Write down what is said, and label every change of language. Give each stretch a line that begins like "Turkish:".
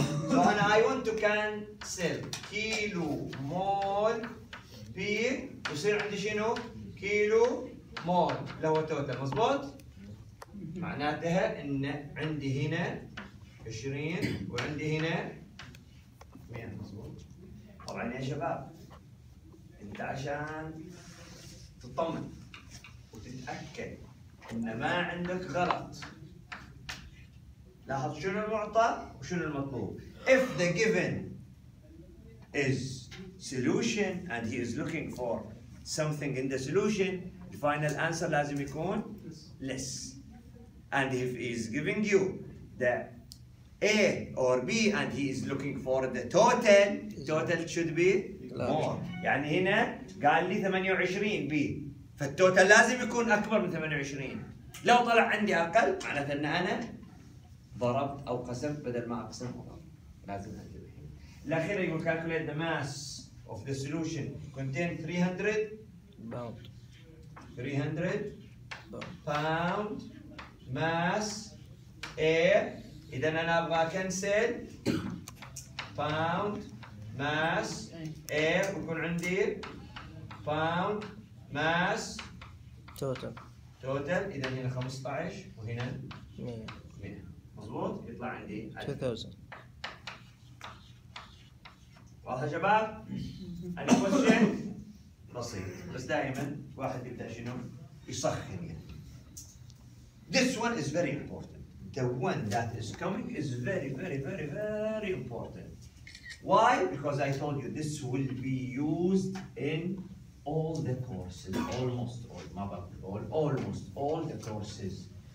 Arabic: So أنا
English: I want to cancel
Arabic: كيلو مول بير، يصير عندي شنو؟ كيلو مول اللي هو توتال، مظبوط؟ معناتها إن عندي هنا 20 وعندي هنا 100، مظبوط؟ طبعا يا شباب انت عشان تطمن وتتاكد ان ما عندك غلط لاحظ شنو المعطى وشنو المطلوب.
English: If the given is solution and he is looking for something in the solution, the final answer
Arabic: لازم يكون
English: less. And if he is giving you the A or B and he is looking for the total, total should be more.
Arabic: يعني هنا قال لي 28 B، فالتوتال لازم يكون أكبر من 28. لو طلع عندي أقل معناته أن أنا ضربت أو قسمت بدل ما أقسم أضرب. لازم أنتبه. الأخير يقول
English: calculate the mass of the solution contain 300 pound. 300 pound mass A.
Arabic: إذا أنا أبغى أكنسل pound mass air ويكون عندي pound mass
English: total.
Arabic: total إذا هنا 15 وهنا 100، مضبوط؟ يطلع عندي 2000. واضح يا شباب؟ أي question؟ بسيط، بس دائما واحد يبدأ شنو؟ يسخن.
English: This one is very important. The one that is coming is very, very, very, very important. Why? Because I told you this will be used in all the courses, almost all, almost all the courses.